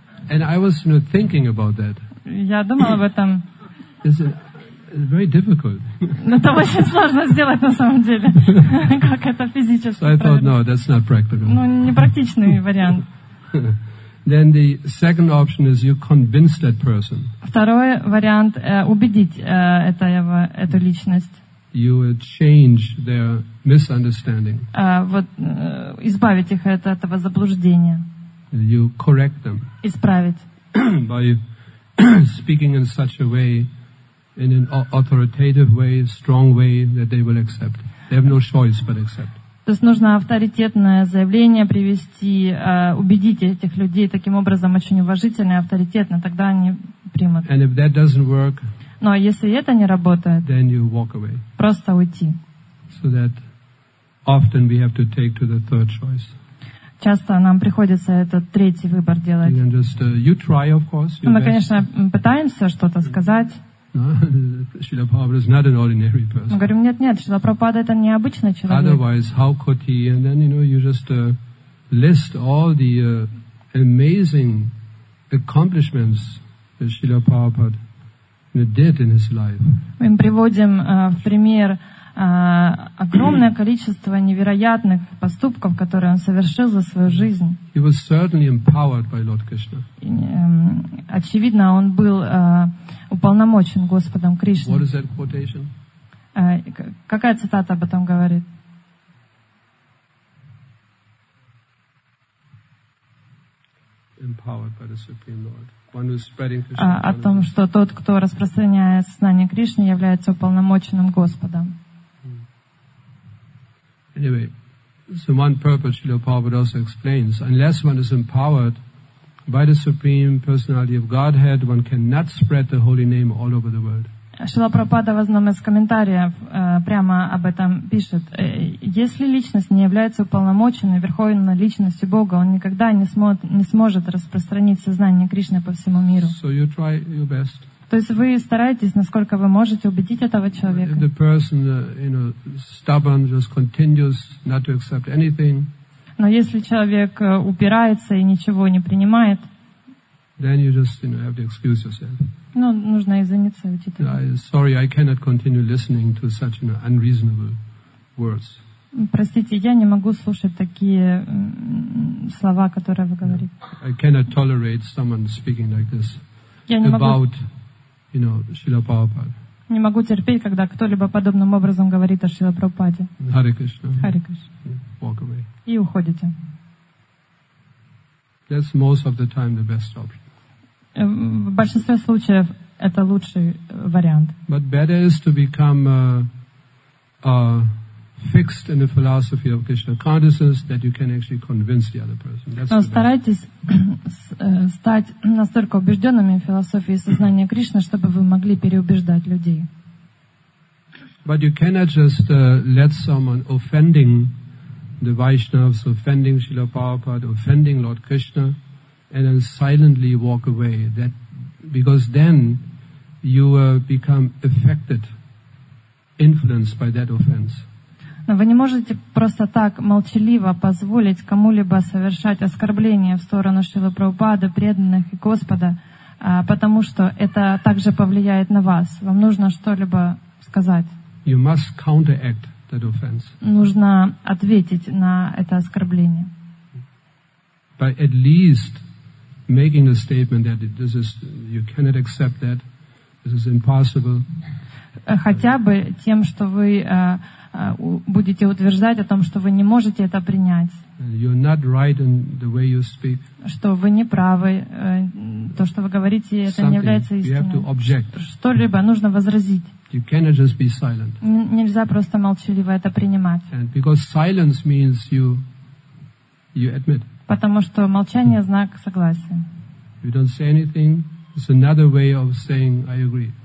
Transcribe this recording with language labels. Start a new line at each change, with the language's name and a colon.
English: And I was, you know, thinking about that.
Russian: Я думал об этом.
English: It's very difficult.
Russian: Но это очень сложно сделать на самом деле. Как это физически?
English: So I thought, no, that's not practical.
Russian: Ну, непрактичный вариант.
English: then the second option is you convince that person.
Russian: Второй вариант убедить это его эту личность.
English: You would change their misunderstanding.
Russian: Избавить их от этого заблуждения.
English: You correct them.
Russian: Исправить.
English: By speaking in such a way, in an authoritative way, strong way, that they will accept. They have no choice but accept.
Russian: То есть нужно авторитетное заявление привести, убедить этих людей таким образом очень уважительно и авторитетно, тогда они примут.
English: And if that doesn't work,
Russian: но если это не работает,
English: then you walk away.
Russian: Просто уйти.
English: So that often we have to take to the third choice.
Russian: Часто нам приходится этот третий выбор делать.
English: You just, you try, of course, your мы, best.
Russian: Конечно, пытаемся что-то сказать.
English: Шрила Прабхупада is not an ordinary person.
Russian: Мы говорим, нет, Шрила Прабхупада это необычный человек.
English: Otherwise, how could he? And then, you know, you just list all the amazing accomplishments that Шрила Прабхупада did in his life.
Russian: Мы приводим в пример огромное количество невероятных поступков, которые он совершил за свою жизнь.
English: He was certainly empowered by Lord Krishna.
Russian: Очевидно, он был уполномочен Господом Кришной.
English: What is that quotation?
Russian: Какая цитата об этом говорит?
English: Empowered by the Supreme Lord. One who's spreading Krishna.
Russian: О том, что тот, кто распространяет знание Кришны, является уполномоченным Господом.
English: Anyway, so one purpose Srila Prabhupada also explains, unless one is empowered by the Supreme Personality of Godhead, one cannot spread the holy name all over the world.
Russian: Шрила Прабхупада в одном из комментариев прямо об этом пишет. Если личность не является уполномоченной верховной личностью Бога, он никогда не сможет распространить сознание Кришны по всему миру.
English: So you try your best.
Russian: То есть вы стараетесь, насколько вы можете убедить этого человека.
English: If the person, you know, stubborn, just continues not to accept anything.
Russian: Но если человек упирается и ничего не принимает,
English: then you just, you know, have to excuse yourself.
Russian: Ну, нужно извиниться, уйти.
English: Sorry, I cannot continue listening to such, you know, unreasonable words.
Russian: Простите, я не могу слушать такие слова, которые вы говорите.
English: I cannot tolerate someone speaking like this about, you know, Srila Prabhupada.
Russian: Не могу терпеть, когда кто-либо подобным образом говорит о Шрила Прабхупаде.
English: Hare Krishna. Hare Krishna. Walk away.
Russian: И уходите.
English: That's most of the time the best option.
Russian: В большинстве случаев это лучший вариант.
English: But better is to become fixed in the philosophy of Krishna consciousness that you can actually convince the other person.
Russian: Но старайтесь стать настолько убежденными в философии сознания Кришны, чтобы вы могли переубеждать людей.
English: But you cannot just let someone offending the Vaishnavas, offending Srila Prabhupada, offending Lord Krishna, and then silently walk away. That, because then you become affected, influenced by that offense.
Russian: Но вы не можете просто так молчаливо позволить кому-либо совершать оскорбление в сторону Шрилы Прабхупады, преданных и Господа, потому что это также повлияет на вас. Вам нужно что-либо сказать.
English: You must counteract that offense.
Russian: Нужно ответить на это оскорбление.
English: By at least making the statement that this is, you cannot accept that, this is impossible.
Russian: Хотя бы тем, что вы будете утверждать о том, что вы не можете это принять.
English: You're not right in the way you speak.
Russian: Что вы не правы. То, что вы говорите, это
English: something
Russian: не является истиной.
English: You have to object.
Russian: Что-либо нужно возразить.
English: You cannot just be silent.
Russian: Нельзя просто молчаливо это принимать.
English: And because silence means you admit.
Russian: Потому что молчание – знак согласия.
English: You don't say anything. It's another way of saying I agree.